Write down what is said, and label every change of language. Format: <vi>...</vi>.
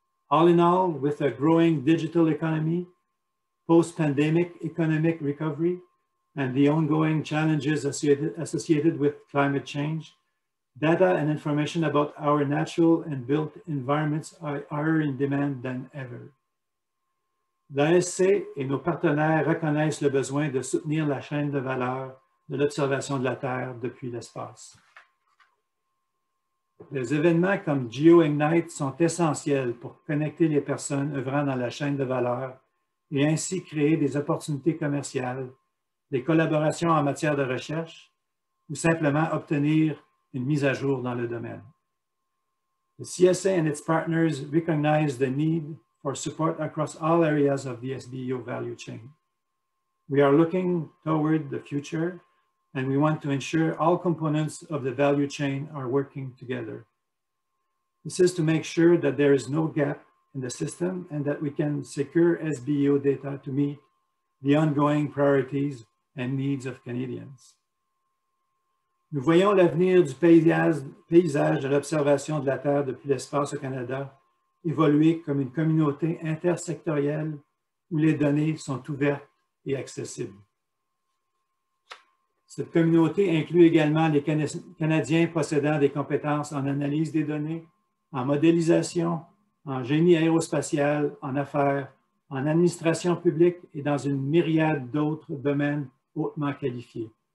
<en>All in all, with a growing digital economy, post-pandemic economic recovery, and the ongoing challenges associated with climate change, data and information about our natural and built environments are higher in demand than ever.</en> <fr>L'ASC et nos partenaires reconnaissent le besoin de soutenir la chaîne de valeur de l'observation de la Terre depuis l'espace. Les événements comme GeoIgnite sont essentiels pour connecter les personnes œuvrant dans la chaîne de valeur et ainsi créer des opportunités commerciales, des collaborations en matière de recherche ou simplement obtenir une mise à jour dans le domaine.</fr> <en>The CSA and its partners recognize the need for support across all areas of the SBU value chain. We are looking toward the future, and we want to ensure all components of the value chain are working together. This is to make sure that there is no gap in the system and that we can secure SBU data to meet the ongoing priorities and needs of Canadians.</en> <fr>Nous voyons l'avenir du paysage de l'observation de la Terre depuis l'espace au Canada évoluer comme une communauté intersectorielle où les données sont ouvertes et accessibles. Cette communauté inclut également les Canadiens possédant des compétences en analyse des données, en modélisation, en génie aérospatial, en affaires, en administration publique et dans une myriade d'autres domaines hautement qualifiés.</fr>